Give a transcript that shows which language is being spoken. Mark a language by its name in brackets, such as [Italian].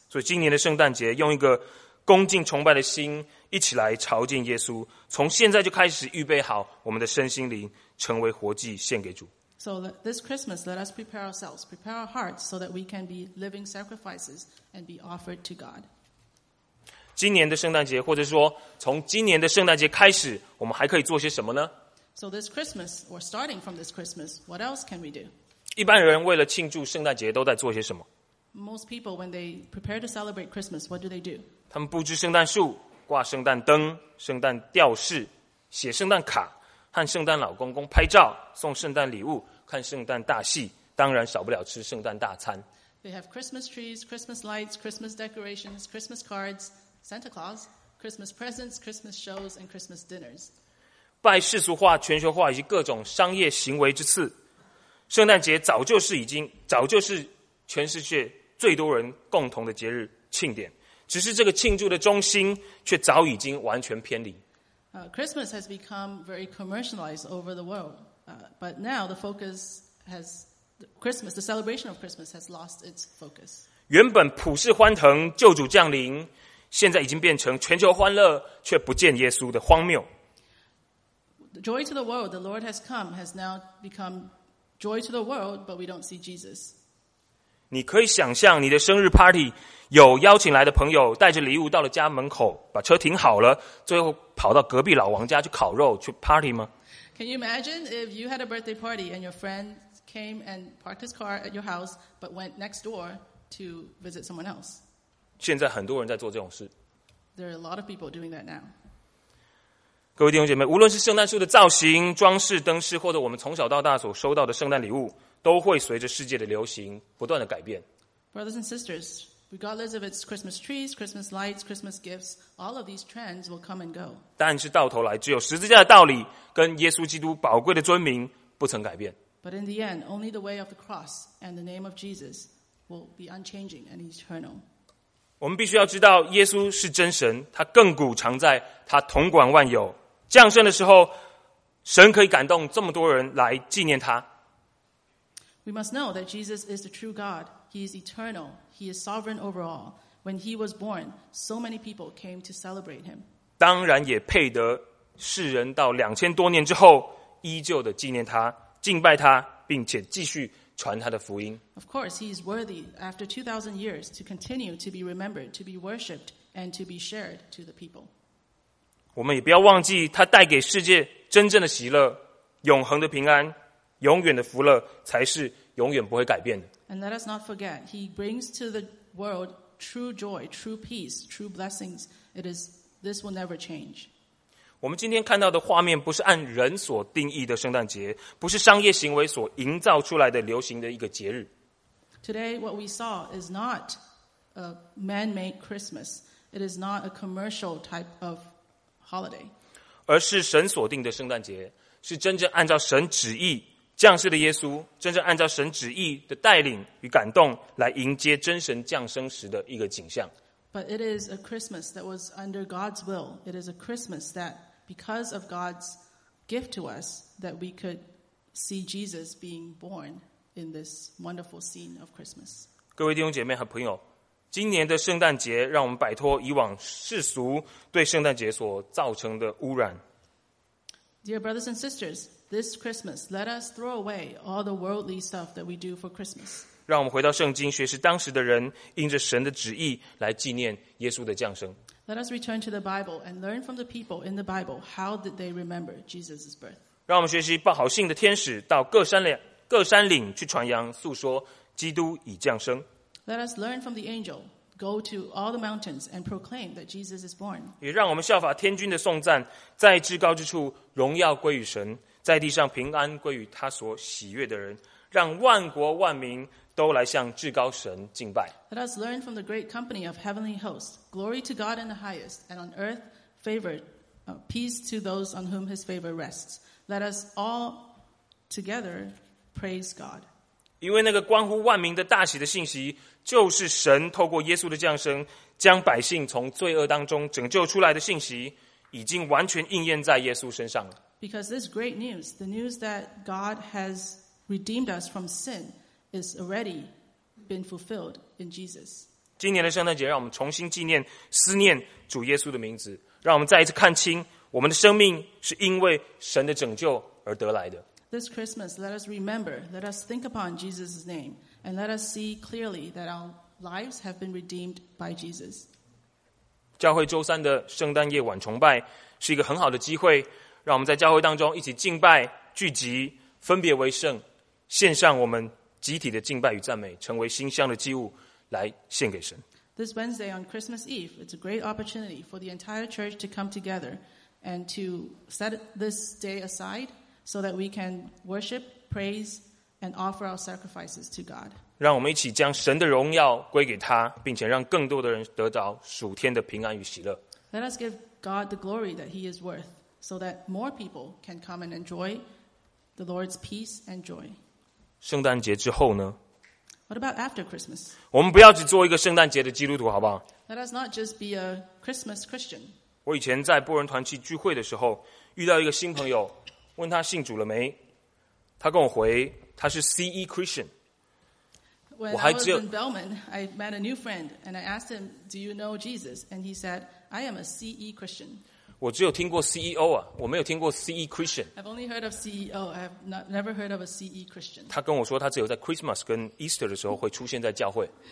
[Chinese] 所以今年的圣诞节，用一个恭敬崇拜的心，一起来朝见耶稣。从现在就开始预备好我们的身心灵，成为活祭献给主。 [English] So this Christmas, let us prepare ourselves, prepare our hearts, so that we can be living sacrifices and be offered to God. [Chinese] 今年的圣诞节，或者说从今年的圣诞节开始，我们还可以做些什么呢 [English] ？So this Christmas, or starting from this Christmas, what else can we do? [Chinese] 一般人为了庆祝圣诞节都在做些什么 [English] ？Most people when they prepare to celebrate Christmas, what do they do? [Chinese] 他们布置圣诞树、挂圣诞灯、圣诞吊饰、写圣诞卡、和圣诞老公公拍照、送圣诞礼物、看圣诞大戏，当然少不了吃圣诞大餐。 [English] They have Christmas trees, Christmas lights, Christmas decorations, Christmas cards, Santa Claus, Christmas presents, Christmas shows, and Christmas dinners. [Chinese] 拜世俗化、全球化以及各种商业行为之次，圣诞节早就是全世界最多人共同的节日庆典，只是这个庆祝的中心却早已经完全偏离。 [English] Christmas has become very commercialized over the world, but now the focus has Christmas. The celebration of Christmas has lost its focus. [Chinese] 原本普世欢腾、救主降临，现在已经变成全球欢乐却不见耶稣的荒谬。 [English] Joy to the world, the Lord has come, has now become joy to the world, but we don't see Jesus. [Chinese] 你可以想象你的生日 party 有邀请来的朋友带着礼物到了家门口，把车停好了，最后跑到隔壁老王家去烤肉去 party 吗？ [English] Can you imagine if you had a birthday party and your friend came and parked his car at your house, but went next door to visit someone else? [Chinese] 现在很多人在做这种事。 [English] There are a lot of people doing that now. [Chinese] 各位弟兄姐妹，无论是圣诞树的造型、装饰、灯饰，或者我们从小到大所收到的圣诞礼物，都会随着世界的流行不断的改变。 [English] Brothers and sisters, regardless of its Christmas trees, Christmas lights, Christmas gifts, all of these trends will come and go. [Chinese] 但是到头来，只有十字架的道理跟耶稣基督宝贵的尊名不曾改变。 [English] But in the end, only the way of the cross and the name of Jesus will be unchanging and eternal. [Chinese] 我们必须要知道耶稣是真神，他亘古常在，他统管万有。降生的时候，神可以感动这么多人来纪念他。 [English] We must know that Jesus is the true God. He is eternal. He is sovereign over all. When he was born, so many people came to celebrate him. [Chinese] 当然也配得世人到2000多年之后依旧的纪念他、敬拜他，并且继续传他的福音。 [English] Of course, he is worthy after 2,000 years to continue to be remembered, to be worshipped, and to be shared to the people. [Chinese] 我们也不要忘记他带给世界真正的喜乐、永恒的平安、永远的福乐，才是永远不会改变的。 [English] And let us not forget, he brings to the world true joy, true peace, true blessings. It is, this will never change. [Chinese] 我们今天看到的画面不是按人所定义的圣诞节，不是商业行为所营造出来的流行的一个节日。 [English] Today, what we saw is not a man-made Christmas. It is not a commercial type of holiday. [Chinese] 而是神所定的圣诞节，是真正按照神旨意降世的耶稣，真正按照神旨意的带领与感动来迎接真神降生时的一个景象。 [English] But it is a Christmas that was under God's will. It is a Christmas that, because of God's gift to us, that we could see Jesus being born in this wonderful scene of Christmas. [Chinese] 各位弟兄姐妹和朋友，今年的圣诞节让我们摆脱以往世俗对圣诞节所造成的污染。 [English] Dear brothers and sisters, this Christmas, let us throw away all the worldly stuff that we do for Christmas. [Chinese] 让我们回到圣经，学习当时的人因着神的旨意来纪念耶稣的降生。 [English] Let us return to the Bible and learn from the people in the Bible how did they remember Jesus' birth. [Chinese] 让我们学习报好信的天使到各山岭去传扬，诉说基督已降生。 [English] Let us learn from the angel, go to all the mountains and proclaim that Jesus is born. [Chinese] 也让我们效法天君的颂赞，在至高之处荣耀归于神，在地上平安归于他所喜悦的人，让万国万民都来向至高神敬拜。 [English] Let us learn from the great company of heavenly hosts. Glory to God in the highest, and on earth, peace to those on whom his favor rests. Let us all together praise God. [Chinese] 因为那个关乎万民的大喜的信息，就是神透过耶稣的降生，将百姓从罪恶当中拯救出来的信息，已经完全应验在耶稣身上了。 [English] Because this great news, the news that God has redeemed us from sin,is already been fulfilled in Jesus. [Chinese] 今年的圣诞节让我们重新纪念思念主耶稣的名字，让我们再一次看清我们的生命是因为神的拯救而得来的。 [English] This Christmas, let us remember, let us think upon Jesus' name, and let us see clearly that our lives have been redeemed by Jesus. [Chinese] 教会周三的圣诞夜晚崇拜是一个很好的机会，让我们在教会当中一起敬拜、聚集、分别为圣，献上我们集体的敬拜与赞美，成为馨香的祭物来献给神。 [English] This Wednesday on Christmas Eve, it's a great opportunity for the entire church to come together and to set this day aside so that we can worship, praise, and offer our sacrifices to God. [Chinese] 让我们一起将神的荣耀归给他，并且让更多的人得到属天的平安与喜乐。 [English] Let us give God the glory that He is worth, so that more people can come and enjoy the Lord's peace and joy. [Chinese] 圣诞节之后呢？ [English] What about after Christmas? [Chinese] 我们不要只做一个圣诞节的基督徒，好不好 [English] ？Let us not just be a Christmas Christian. [Chinese] 我以前在波人团契聚会的时候，遇到一个新朋友，问他信主了没？他跟我回，他是 CE Christian。 [English] When I was in Belmont, I met a new friend, and I asked him, "Do you know Jesus?" And he said, "I am a CE Christian." [Chinese] 我只有听过 CEO 啊，我没有听过 CE Christian. [English] I've only heard of CEO. I've never heard of a CE Christian. [Chinese] 他跟我说，他只有在 Christmas 跟 Easter 的时候会出现在教会。